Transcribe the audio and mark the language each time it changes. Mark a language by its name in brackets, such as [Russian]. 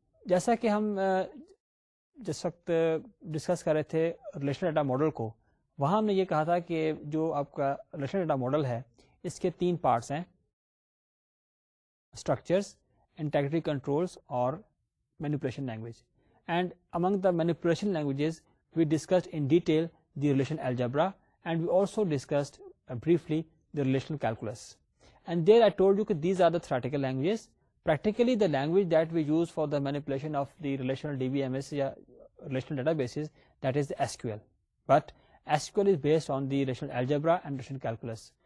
[Urdu] جیسا کہ ہم جس وقت ڈسکس کر رہے تھے ریلیشنل ڈیٹا ماڈل کو, وہاں ہم نے یہ کہا تھا کہ جو آپ کا ریلیشنل ڈیٹا ماڈل ہے اس کے تین پارٹس ہیں, اسٹرکچرس, انٹیگریٹی کنٹرولس اور manipulation language. [English] And among the manipulation languages we discussed in detail the relation algebra, and we also discussed briefly the relational calculus. And there I told you that these are the theoretical languages. Practically, the language that we use for the manipulation of the relational DBMS, relational databases, that is the SQL. But SQL is based on the relational algebra and relational calculus.